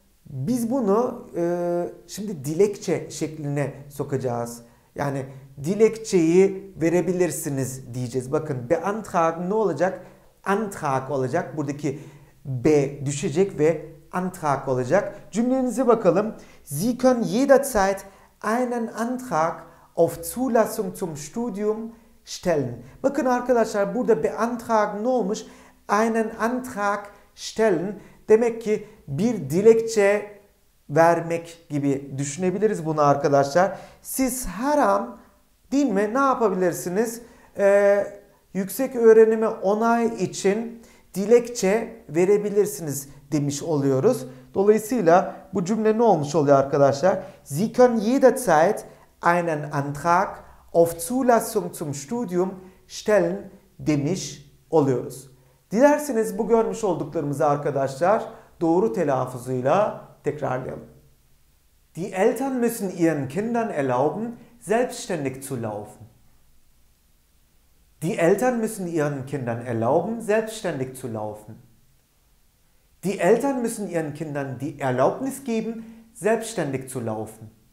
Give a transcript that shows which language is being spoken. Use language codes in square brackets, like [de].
[tr] Biz bunu şimdi dilekçe şekline sokacağız. Yani dilekçeyi verebilirsiniz diyeceğiz. Bakın beantragen ne olacak? Antrag olacak. Buradaki B düşecek ve Antrag olacak. Cümlenize bakalım. [de] Sie können jederzeit einen Antrag auf Zulassung zum Studium stellen. [tr] Bakın arkadaşlar burada beantragen ne olmuş? [de] Einen Antrag stellen. [tr] Demek ki bir dilekçe vermek gibi düşünebiliriz bunu arkadaşlar. Siz her an, değil mi, ne yapabilirsiniz? Yüksek öğrenime onay için dilekçe verebilirsiniz demiş oluyoruz. Dolayısıyla bu cümle ne olmuş oluyor arkadaşlar? [de] Sie können jederzeit einen Antrag auf Zulassung zum Studium stellen [tr] demiş oluyoruz. Dilerseniz bu görmüş olduklarımızı arkadaşlar doğru telaffuzuyla tekrarlayalım. [de] Die Eltern müssen ihren Kindern erlauben, selbstständig zu laufen. Die Eltern müssen ihren Kindern erlauben, selbstständig zu laufen. Die Eltern müssen ihren Kindern die Erlaubnis geben, selbstständig zu laufen.